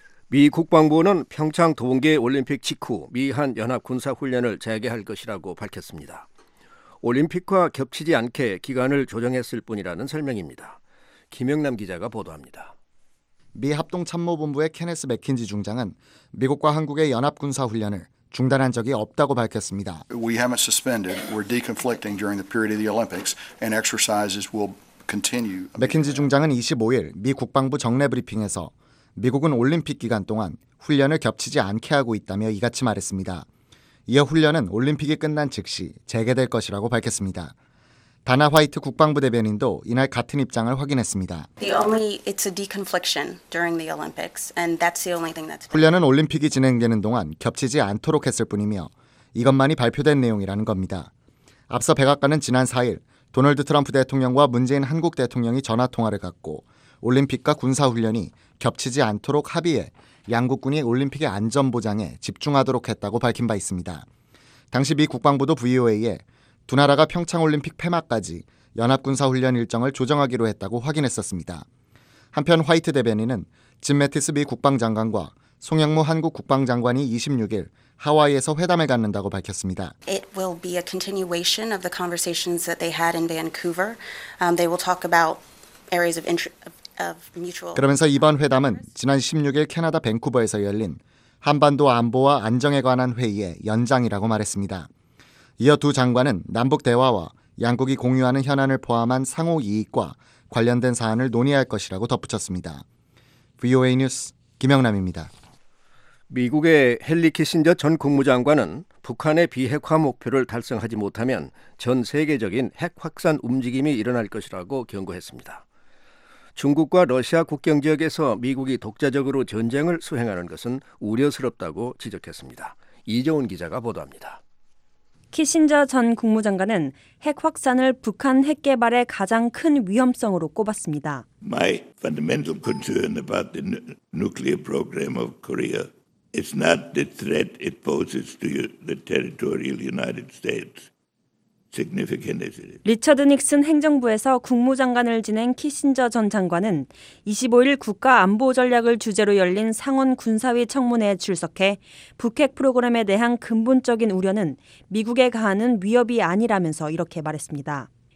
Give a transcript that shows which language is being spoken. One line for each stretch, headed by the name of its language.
Korean: 미 국방부는 평창 동계올림픽 직후 미한 연합군사훈련을 재개할 것이라고 밝혔습니다. 올림픽과 겹치지 않게 기간을 조정했을 뿐이라는 설명입니다. 김영남 기자가 보도합니다. 미 합동참모본부의 케네스 맥킨지 중장은 미국과 한국의 연합군사훈련을 중단한 적이 없다고 밝혔습니다.
English: We haven't suspended. We're deconflicting during the period of the Olympics and exercises will continue.
Korean: 맥킨지 중장은 25일 미 국방부 정례 브리핑에서 미국은 올림픽 기간 동안 훈련을 겹치지 않게 하고 있다며 이같이 말했습니다. 이어 훈련은 올림픽이 끝난 즉시 재개될 것이라고 밝혔습니다. 다나 화이트 국방부 대변인도 이날 같은 입장을 확인했습니다.
English: It's a deconfliction during the Olympics, and that's the only thing that's.
Korean: 훈련은 올림픽이 진행되는 동안 겹치지 않도록 했을 뿐이며 이것만이 발표된 내용이라는 겁니다. 앞서 백악관은 지난 4일 도널드 트럼프 대통령과 문재인 한국 대통령이 전화 통화를 갖고 올림픽과 군사 훈련이 겹치지 않도록 합의해 양국군이 올림픽의 안전 보장에 집중하도록 했다고 밝힌 바 있습니다. 당시 미 국방부도 VOA에 두 나라가 평창올림픽 폐막까지 연합군사훈련 일정을 조정하기로 했다고 확인했었습니다. 한편 화이트 대변인은 짐 매티스 미 국방장관과 송영무 한국 국방장관이 26일 하와이에서 회담을 갖는다고 밝혔습니다.
English: It will be a continuation of the conversations that they had in Vancouver. They will talk about areas of mutual.
Korean: 그러면서 이번 회담은 지난 16일 캐나다 밴쿠버에서 열린 한반도 안보와 안정에 관한 회의의 연장이라고 말했습니다. 이어 두 장관은 남북 대화와 양국이 공유하는 현안을 포함한 상호 이익과 관련된 사안을 논의할 것이라고 덧붙였습니다. VOA 뉴스 김영남입니다. 미국의 헨리 키신저 전 국무장관은 북한의 비핵화 목표를 달성하지 못하면 전 세계적인 핵 확산 움직임이 일어날 것이라고 경고했습니다. 중국과 러시아 국경 지역에서 미국이 독자적으로 전쟁을 수행하는 것은 우려스럽다고 지적했습니다. 이재훈 기자가 보도합니다. 키신저 전 국무장관은 핵 확산을 북한 핵 개발의 가장 큰 위험성으로 꼽았습니다.
English: My fundamental concern about the nuclear program of Korea is not the threat it poses to the territorial United States. Significant as it is.
Korean: 리처드 닉슨 행정부에서 국무장관을 지낸 키신저 전 장관은 25일 국가 안보 전략을 주제로 열린 상원 군사위 청문회에 출석해 북핵 프로그램에 대한 근본적인 우려는 미국에 가하는 위협이 아니라면서 이렇게 말했습니다.